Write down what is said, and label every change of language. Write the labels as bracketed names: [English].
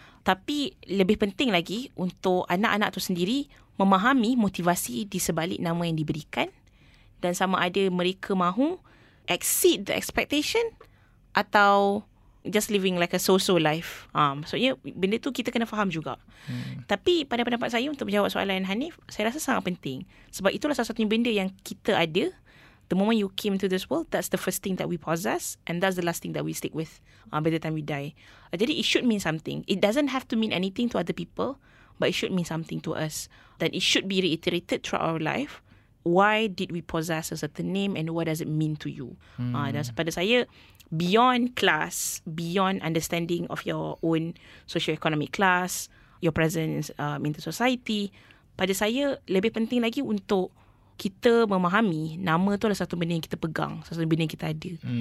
[Malay] Tapi lebih penting lagi untuk anak-anak tu sendiri memahami motivasi di sebalik nama yang diberikan dan sama ada mereka mahu [English] exceed the expectation [Malay] atau [English] just living like a so-so life. [Malay] Maksudnya benda tu kita kena faham juga. Tapi pada pendapat saya, untuk menjawab soalan Hanif, saya rasa sangat penting. Sebab itulah salah satunya benda yang kita ada. [English] The moment you came to this world, that's the first thing that we possess and that's the last thing that we stick with by the time we die. [Malay] Jadi [English] it should mean something. It doesn't have to mean anything to other people, but it should mean something to us. Then it should be reiterated throughout our life. Why did we possess a certain name and what does it mean to you? [Malay] Dan pada saya, [English] beyond class, beyond understanding of your own socio-economic class, your presence in the society, [Malay] pada saya lebih penting lagi untuk kita memahami nama tu adalah satu benda yang kita pegang, satu benda yang kita ada.